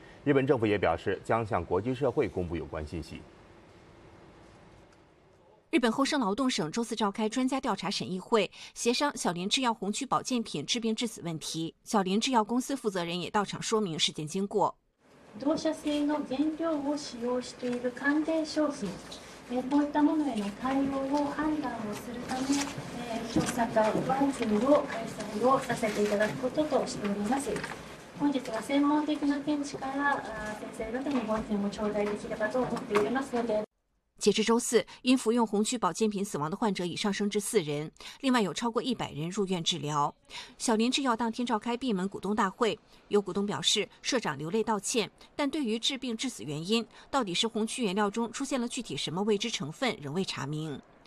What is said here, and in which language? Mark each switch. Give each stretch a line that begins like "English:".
Chinese: 日本政府也表示将向国际社会公布有关信息。日本厚生劳动省周四召开专家调查审议会，协商小林制药红曲保健品治病致死问题。小林制药公司负责人也到场说明事件经过。
Japanese: 同社製の原料を使用している関連商品、こういったものへの対応を判断をするため、調査会ワンツーを開催をさせていただくこととしております。本日は専門的な見地から先生方にご意見を頂戴できればと思っておりますので。
Chinese: 截至周四，因服用红曲保健品死亡的患者已上升至四人，另外有超过100人入院治疗。小林制药当天召开闭门股东大会，有股东表示社长流泪道歉，但对于致病致死原因，到底是红曲原料中出现了具体什么未知成分，仍未查明。